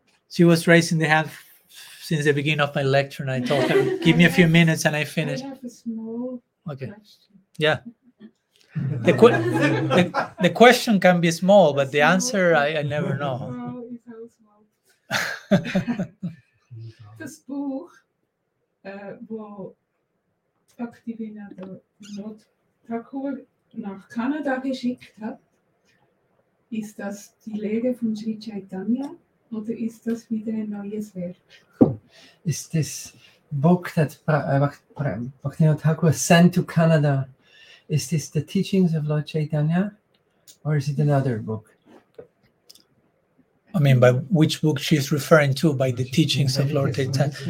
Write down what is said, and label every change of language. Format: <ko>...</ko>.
<en>She was raising the hand since the beginning of my lecture, and I told her, give me a few minutes and I finish. I have a small question. Yeah. The question can be small, but the answer I never know. It's how small.</en> <de>Das Buch, wo Bhaktivinoda Thakura nach Kanada geschickt hat, Ist das die Lehre von Sri Chaitanya oder ist das wieder ein neues Werk?</de> <en>Is this book that Bhaktivinoda Thakura sent to Canada? Is this the teachings of Lord Chaitanya or is it another book? I mean, by which book she's referring to, by the teachings of Lord Chaitanya.</en>